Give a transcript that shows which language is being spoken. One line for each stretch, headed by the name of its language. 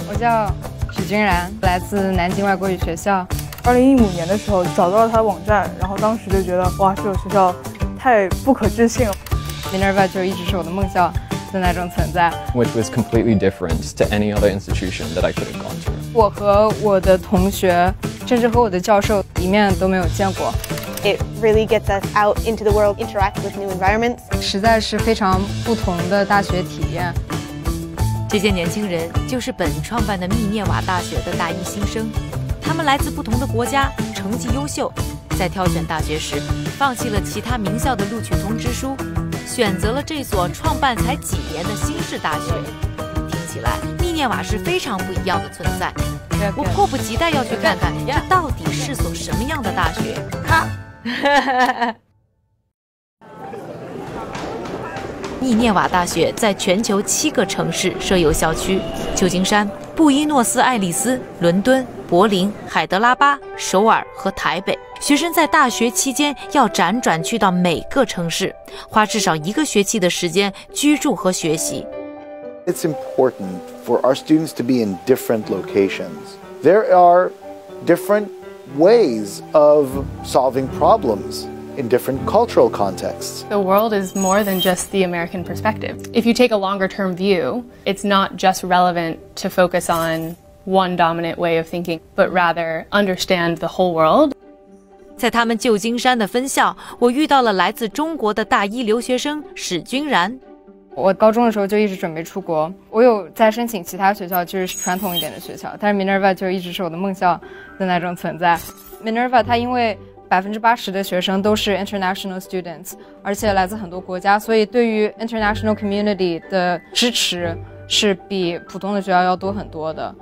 Chinese: 我叫许君然，来自南京外国语学校。 2015年的时候找到了他的网站，然后当时就觉得哇，这个学校太不可置信了。 Minerva 就一直是我的梦想的那种存在，
English: which was completely different to any other institution that I could have gone to.
Chinese: 我和我的同学，甚至和我的教授一面都没有见过。
English: It really gets us out into the world, interact with new environments.
Chinese: 实在是非常不同的大学体验。这些年轻人就是本创办的密涅瓦大学的大一新生，他们来自不同的国家，成绩优秀，在挑选大学时放弃了其他名校的录取通知书，选择了这所创办才几年的新式大学。听起来密涅瓦是非常不一样的存在，我迫不及待要去看看这到底是所什么样的大学。密涅瓦大学在全球7个城市设有校区，旧金山、布宜诺斯艾利斯、伦敦、柏林、海德拉巴、首尔和台北。学生在大学期间要辗转去到每个城市，花至少1个学期的时间居住和学习。
English: It's important for our students to be in different locations. There are different ways of solving problems in different cultural contexts. The world is more than just the American perspective. If you take a longer-term view, it's not just relevant to focus on one dominant way of thinking, but rather understand the whole world.
Chinese: 在他们旧金山的分校，我遇到了来自中国的大一留学生史君然。我高中的时候就一直准备出国，我有在申请其他学校，就是传统一点的学校，但是 Minerva 就一直是我的梦校的那种存在。 Minerva 它因为80%的学生都是
English: international students，
Chinese: 而且来自很多国家，所以对于
English: international community
Chinese: 的支持是比普通的学校要多很多的。